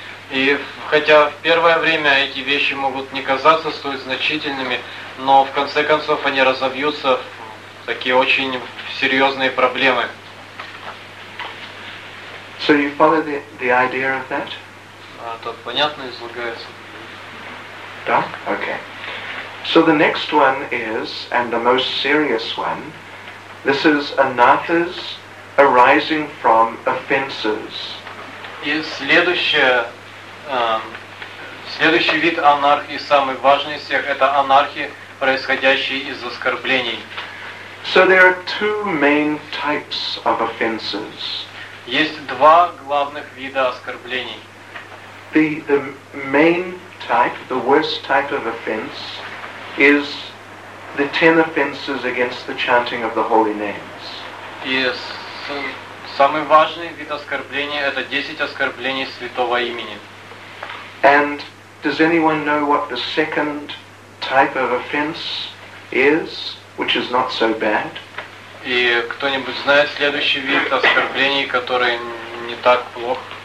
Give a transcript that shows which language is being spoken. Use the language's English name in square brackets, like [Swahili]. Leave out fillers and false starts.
[Russian] И хотя в первое время эти вещи могут не казаться столь значительными, но в конце концов они разовьются в такие очень серьезные проблемы. [English] So you follow the idea of that? [Russian] Тут понятно излагается. Да? Okay. [English] So the next one is, and the most serious one, this is anathas arising from offenses. [Russian] И следующий вид анархии, самый важный из всех, это анархии, происходящие из оскорблений. [English] So there are two main types of offenses. [Russian] Есть два главных вида оскорблений. [English] The main type, the worst type of offense, is the 10 offenses against the chanting of the holy names. Yes. [Russian] Самый важный вид оскорбления – это 10 оскорблений святого имени. [English] And does anyone know what the second type of offense is, which is not so bad? [Russian] И кто-нибудь знает следующий вид оскорблений, который не так плох?